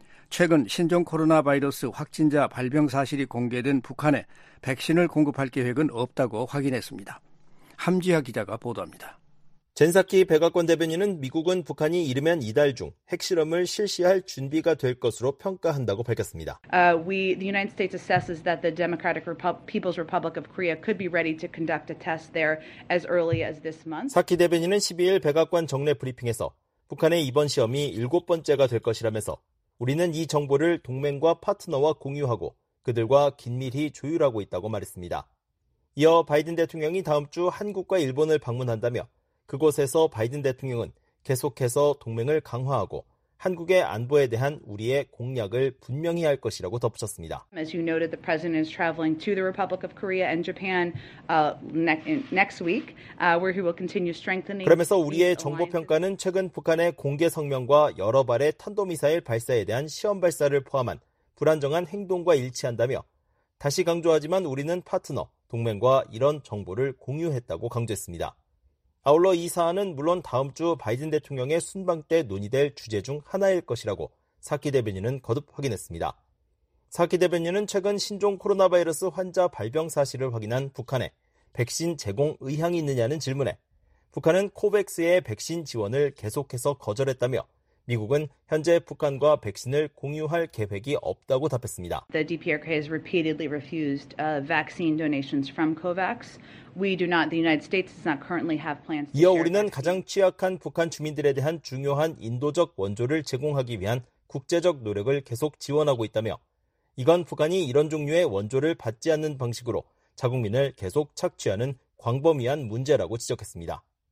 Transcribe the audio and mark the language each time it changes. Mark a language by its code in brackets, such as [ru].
[ko] 최근 신종 코로나 바이러스 확진자 발병 사실이 공개된 북한에 백신을 공급할 계획은 없다고 확인했습니다. 함지하 기자가 보도합니다. 젠사키 백악관 대변인은 미국은 북한이 이르면 이달 중 핵실험을 실시할 준비가 될 것으로 평가한다고 밝혔습니다. [en] The United States assesses that the Democratic People's Republic of Korea could be ready to conduct a test there as early as this month. [ko] 사키 대변인은 12일 백악관 정례 브리핑에서 북한의 이번 시험이 7번째가 될 것이라면서 우리는 이 정보를 동맹과 파트너와 공유하고 그들과 긴밀히 조율하고 있다고 말했습니다. 이어 바이든 대통령이 다음 주 한국과 일본을 방문한다며 그곳에서 바이든 대통령은 계속해서 동맹을 강화하고 한국의 안보에 대한 우리의 공약을 분명히 할 것이라고 덧붙였습니다. [en] As you noted, the president is traveling to the Republic of Korea and Japan next week, where he will continue strengthening. [ko] 그러면서 우리의 정보 평가는 최근 북한의 공개 성명과 여러 발의 탄도미사일 발사에 대한 시험 발사를 포함한 불안정한 행동과 일치한다며 다시 강조하지만 우리는 파트너, 동맹과 이런 정보를 공유했다고 강조했습니다. 아울러 이 사안은 물론 다음 주 바이든 대통령의 순방 때 논의될 주제 중 하나일 것이라고 사키 대변인은 거듭 확인했습니다. 사키 대변인은 최근 신종 코로나 바이러스 환자 발병 사실을 확인한 북한에 백신 제공 의향이 있느냐는 질문에 북한은 코백스의 백신 지원을 계속해서 거절했다며 미국은 현재 북한과 백신을 공유할 계획이 없다고 답했습니다. [en] The DPRK has repeatedly refused vaccine donations from COVAX. We do not, the United States does not currently have plans. [ko] 이어 우리는 가장 취약한 북한 주민들에 대한 중요한 인도적 원조를 제공하기 위한 국제적 노력을 계속 지원하고 있다며 이건 북한이 이런 종류의 원조를 받지 않는 방식으로 자국민을 계속 착취하는 광범위한 문제라고 지적했습니다.